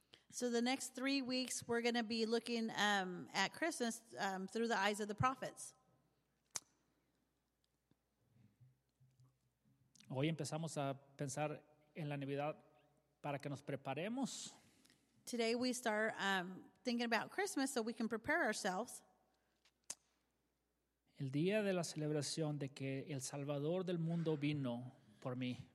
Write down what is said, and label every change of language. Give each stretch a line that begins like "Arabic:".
English: So the next 3 weeks we're going to be looking at Christmas through the eyes of the prophets.
Spanish: Hoy empezamos a pensar en la Navidad para que nos preparemos.
English: Today we start thinking about Christmas so we can prepare ourselves.
Spanish: El día de la celebración de que el Salvador del mundo vino por mí.